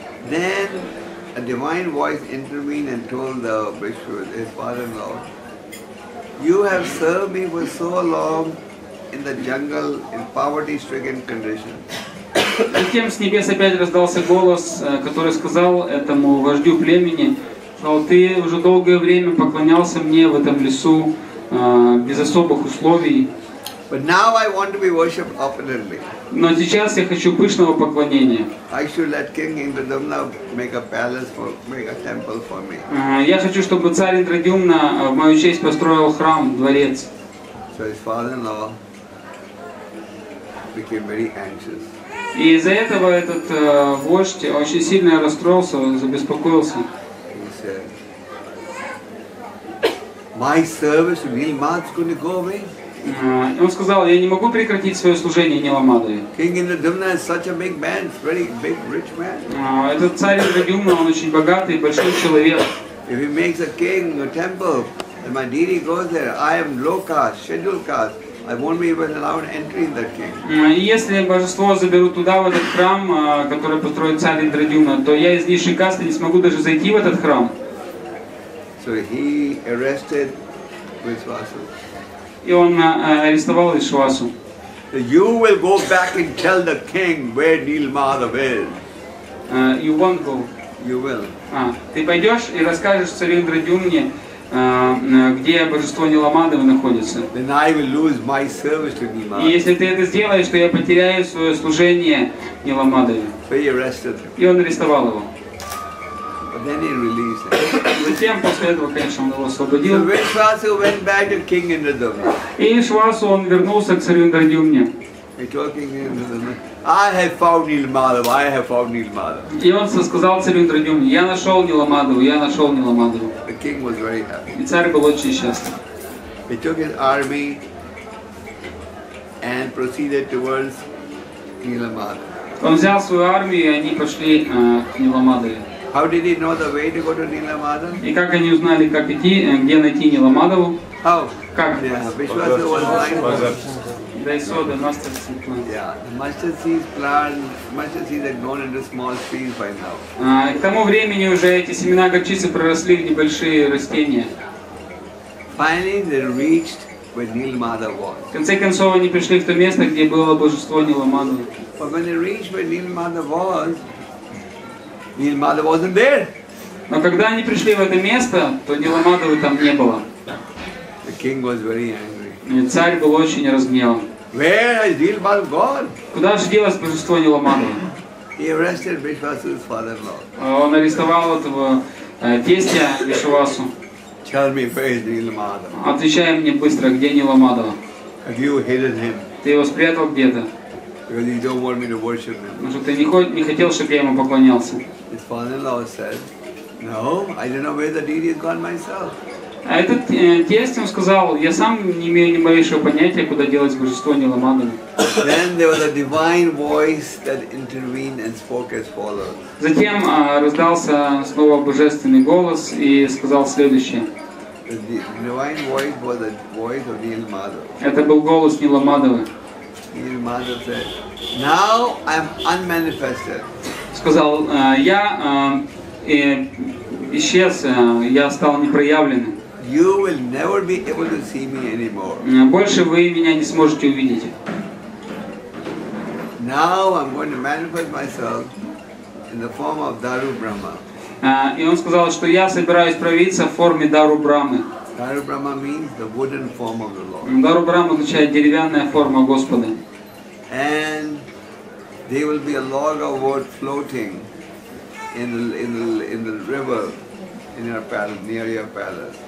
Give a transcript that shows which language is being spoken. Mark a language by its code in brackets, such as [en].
[en] Then a divine voice intervened and told the Bhishma, his father-in-law, you have served me for so long in the jungle in poverty-stricken condition. [ru] Затем с небес опять раздался голос, который сказал этому вождю племени, что ты уже долгое время поклонялся мне в этом лесу без особых условий. [en] But now I want to be worshipped openly. [ru] Но сейчас я хочу пышного поклонения. [en] I should let King Indradyumna make a palace for, make a temple for me. [ru] Я хочу, чтобы царь Индрадюмна в мою честь построил храм, дворец. [en] So his father-in-law became very anxious. [ru] И из-за этого этот вождь очень сильно расстроился, забеспокоился. [en] He said, my service to Nila Madhav couldn't go away. [ru] Он сказал, я не могу прекратить свое служение Нила Мадхаве. [en] King Indradyumna is such a big man, very big rich man. [ru] Этот царь Индрадюмна, он очень богатый, большой человек. [en] If he makes a king a temple, and my deity goes there, I am low caste, scheduled caste. I won't be even allowed entry in that king. [ru] Если божество заберут туда, в этот храм, который построит царь Индрадюмна, то я из низшей касты не смогу даже зайти в этот храм. [en] So he arrested Vishwasu. [ru] И он арестовал Вишвасу. [en] You will go back and tell the king where Neel Madhav is. You won't go. You will. [ru] Ты пойдешь и расскажешь царю Индрадюмне, где божество Нила Мадхава находится. [en] Then I will lose my service to Neel Madhav. [ru] И если ты это сделаешь, то я потеряю свое служение Нила Мадхаве. [en] So he arrested him. [ru] И он арестовал его. [en] But then he released him. [ru] Затем после этого, конечно, он его освободил. [en] So Vishwasu went back to King Indradyumna. [ru] И Вишвасу он вернулся к царю Индрадюмне. [en] He told King Indradyumna, I have found Nila Madhav. I have found Nila Madhav. [ru] И он сказал царю Индрадюмне, я нашел Нила Мадхава, я нашел Нила Мадхава. [en] The king was very happy. [ru] И царь был очень счастлив. [en] He took his army and proceeded towards Nila Madhava. [ru] Он взял свою армию, и они пошли к Нила Мадхаве. [en] How did he know the way to go to Nila Madhav? [ru] И как они узнали, как идти, где найти Нила Мадхаву? [en] How? [ru] Как? [en] Yeah, Vishwasu was lying. They saw the mustard seed plant. Yeah, the mustard seed plant, mustard seed had gone into small trees by now. [ru] К тому времени уже эти семена горчицы проросли в небольшие растения. [en] Finally, they reached where Nilmadhar was. [ru] В конце концов, они пришли в то место, где было божество Ниламаду. [en] But when they reached where Nilmadhar was, Nilmadhar wasn't there. [ru] Но когда они пришли в это место, то Ниламадхавы там не было. [en] The king was very angry. [ru] И царь был очень разгневан. [en] Where is Nilmadhar gone? [ru] Куда же делось божество Ниламадхавы? [en] He arrested Vishvasu's father-in-law. [ru] Он арестовал этого тестя Вишвасу. [en] Tell me where is Nilmadhava. [ru] Отвечай мне быстро, где Ниламадхава? [en] Have you hidden him? [ru] Ты его спрятал где-то? [en] Because you don't want me to worship him. [ru] Может, ты не хотел, чтобы я ему поклонялся? [en] His father-in-law said. No, I don't know where the deity has gone myself. [ru] А этот тесть, он сказал, я сам не имею ни малейшего понятия, куда делось божество Ниламадхавы. [en] Then there was a divine voice that intervened and spoke as follows. [ru] Затем раздался снова божественный голос и сказал следующее. [en] The divine voice was the voice of Ниламадхава. [ru] Это был голос Ниламадхавы. [en] Ниламадхава said, now I'm unmanifested. [ru] Сказал, я и исчез, я стал непроявленным. [en] You will never be able to see me anymore. [ru] Больше вы меня не сможете увидеть. [en] Now I'm going to manifest myself in the form of Daru Brahma. [ru] И он сказал, что я собираюсь проявиться в форме Дару Брамы. [en] Daru Brahma means the wooden form of the Lord. [ru] Дару Брама означает деревянная форма Господа. [en] And there will be a log of wood floating. In the river, in your palace, near your palace.